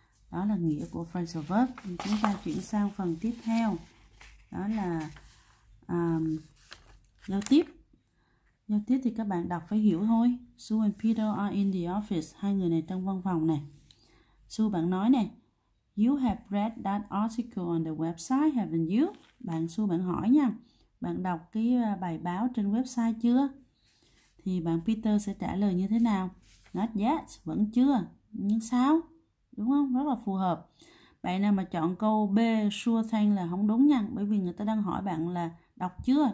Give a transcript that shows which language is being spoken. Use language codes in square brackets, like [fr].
[vi] Đó là nghĩa của phrasal verb. Chúng ta chuyển sang phần tiếp theo. Đó là giao tiếp. Giao tiếp thì các bạn đọc phải hiểu thôi. [en] Sue and Peter are in the office. [vi] Hai người này trong văn phòng này. Sue bạn nói này. [en] You have read that article on the website, haven't you? [vi] Bạn Sue bạn hỏi nha. Bạn đọc cái bài báo trên website chưa? Thì bạn Peter sẽ trả lời như thế nào? [en] Not yet, [vi] vẫn chưa. Nhưng sao? Đúng không? Rất là phù hợp. Bạn nào mà chọn câu B, [en] sure thing [vi] là không đúng nha. Bởi vì người ta đang hỏi bạn là đọc chưa?